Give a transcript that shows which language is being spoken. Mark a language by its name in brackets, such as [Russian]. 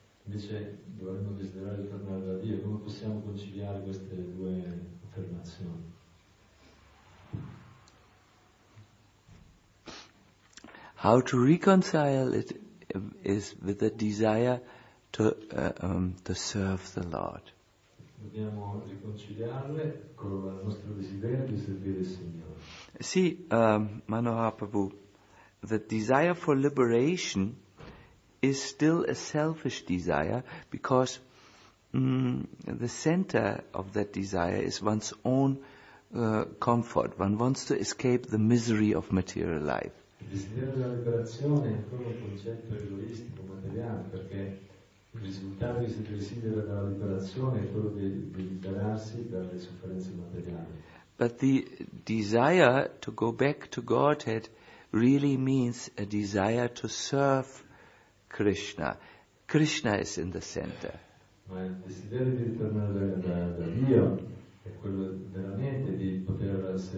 [Italian] Invece dovremmo desiderare tornare da Dio. Come possiamo conciliare queste due affermazioni? [English] How to reconcile it is with the desire to serve the Lord. [Italian] Dobbiamo riconciliarle con il nostro desiderio di servire il Signore. [English] Sì, Manohapabu, the desire for liberation is still a selfish desire because the center of that desire is one's own comfort. One wants to escape the misery of material life. [Italian] Il desiderio della liberazione è proprio un concetto egoistico, materiale, perché il risultato che si desidera dalla liberazione è quello di liberarsi dalle sofferenze materiali. [English] But the desire to go back to Godhead really means a desire to serve Krishna. Krishna is in the center. [Italian] Ma il desiderio di ritornare da Dio è quello veramente di poter